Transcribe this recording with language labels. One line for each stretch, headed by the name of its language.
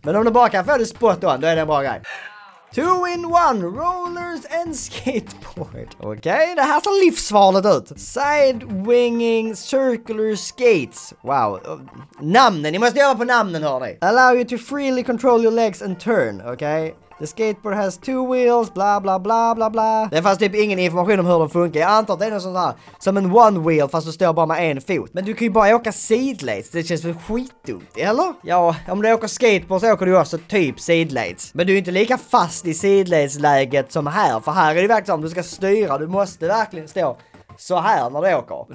Swedish: Men om du bara kan få det spot on, då är det en bra grej.
English: 2-in-1, rollers and skateboard.
Swedish: Okej, det här ser livsfarligt ut.
English: Side-winging circular skates.
Swedish: Wow, namnen, ni måste göra på namnen hörni.
English: Allow you to freely control your legs and turn,
Swedish: okej.
English: The skateboard has two wheels, bla bla bla bla bla.
Swedish: Det fanns typ ingen information om hur den funkar. Jag antar att det är något sånt här, som en one wheel, fast du står bara med en fot. Men du kan ju bara åka sidelates, det känns väl skitdumt, eller? Ja, om du åker skateboard så åker du också typ sidelates. Men du är inte lika fast i sidelates-läget som här, för här är det verkligen om du ska styra, du måste verkligen stå så här när du åker.